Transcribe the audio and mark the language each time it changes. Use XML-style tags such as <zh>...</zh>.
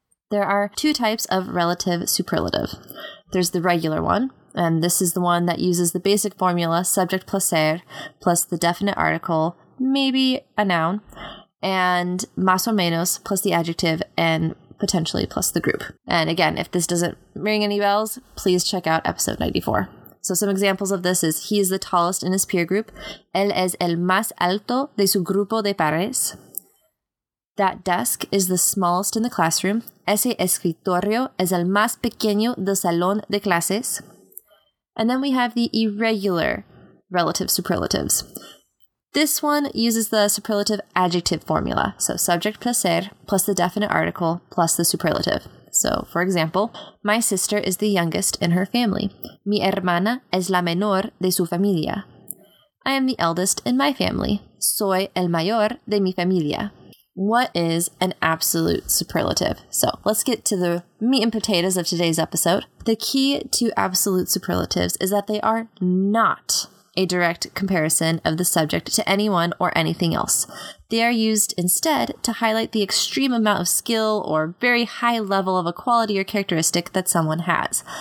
<en>There are two types of relative superlative. There's the regular one, and this is the one that uses the basic formula subject plus ser, plus the definite article, maybe a noun, and más o menos plus the adjective and potentially plus the group. And again, if this doesn't ring any bells, please check out episode 94. So some examples of this is he is the tallest in his peer group.</en> <es>Él es el más alto de su grupo de pares.</es> <en>That desk is the smallest in the classroom.</en> <es>Ese escritorio es el más pequeño del salón de clases.</es> <en>And then we have the irregular relative superlatives. This one uses the superlative adjective formula. So subject plus ser plus the definite article plus the superlative. So, for example, my sister is the youngest in her family.</en> <es>Mi hermana es la menor de su familia.</es> <en>I am the eldest in my family.</en> <es>Soy el mayor de mi familia.</es> <en>What is an absolute superlative? So, let's get to the meat and potatoes of today's episode. The key to absolute superlatives is that they are not a direct comparison of the subject to anyone or anything else. They are used instead to highlight the extreme amount of skill or very high level of a quality or characteristic that someone has.</en>